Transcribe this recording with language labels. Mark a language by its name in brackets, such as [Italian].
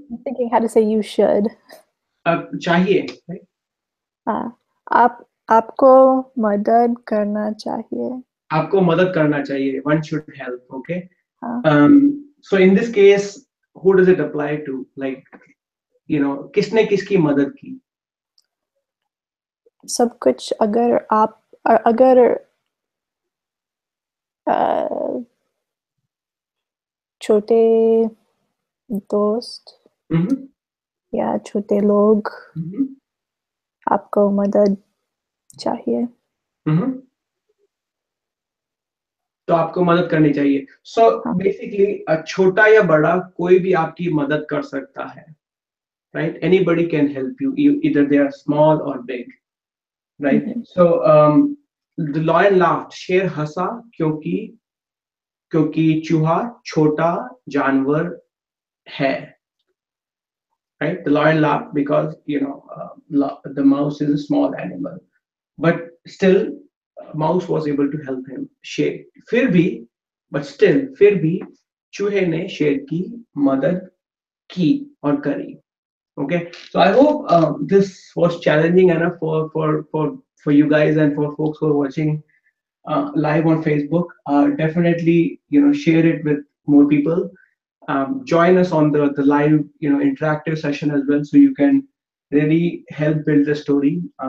[English] I'm thinking how to say you should. [Hindi] चाहिए, right? आपको मदद करना चाहिए. आपको मदद करना चाहिए. [English] One should help, okay? So in this case, who does it apply to? Like, you know, [Hindi] किसने किसकी मदद की? सब कुछ अगर आप अगर छोटे दोस्त या छोटे लोग आपको मदद चाहिए तो आपको मदद करनी चाहिए. सो बेसिकली छोटा या बड़ा कोई भी आपकी मदद कर सकता है, right? [English] Anybody can help you, इधर they are small और big, right? So the lion laughed, [Hindi] शेर हंसा क्योंकि चूहा छोटा जानवर है, [English] right? The lion laughed because you know the mouse is a small animal, but still mouse was able to help him. [Hindi] फिर भी चूहे ने शेर की मदद की और करी. [English] Okay, so I hope this was challenging enough for you guys and for folks who are watching live on Facebook. Definitely, you know, share it with more people. Join us on the live, you know, interactive session as well, so you can really help build the story.